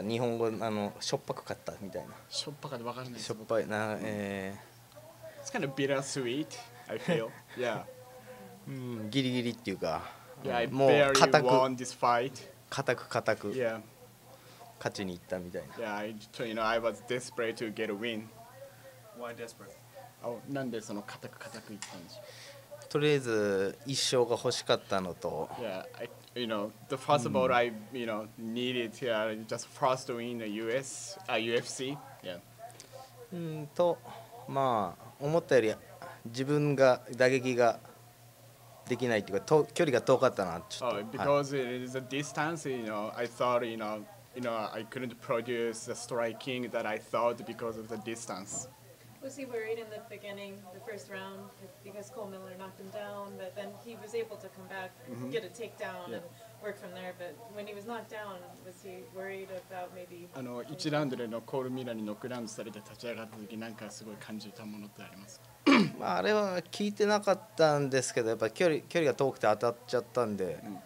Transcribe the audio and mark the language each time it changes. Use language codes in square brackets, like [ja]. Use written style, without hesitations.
[ja] 日本語、あの、しょっぱくかったみたいな。しょっぱかってわかんないです。しょっぱいな、 [en] It's kind of bittersweet, I feel. Yeah. [ja] ギリギリっていうか、 [en] yeah, [ja] もう固く、 [en] won this fight. [ja] 固く固く、勝ちに行ったみたいな。 [en] Yeah, you know, I was desperate to get a win. Why desperate? [ja] なんでその固く固くいったんでしょう。とりあえず一勝が欲しかったのと、 [en] yeah, I, you know, the first bout I, you know, needed here, just first win the US, UFC. Yeah. [ja] と、まあ思ったより自分が打撃ができないというか、と距離が遠かったなちょっと。 [en] Oh, because it is a distance, you know, I thought, you know, I couldn't produce the striking that I thought because of the distance. Was he worried in the beginning, the first round, because Cole Miller knocked him down, but then he was able to come back, get a takedown, and work from there. But when he was knocked down, was he worried about maybe... [ja] あの、1ラウンドでのコールミラーにノックダウンされて立ち上がった時、なんかすごい感じたものってありますか？まあ、あれは聞いてなかったんですけど、やっぱ距離が遠くて当たっちゃったんで、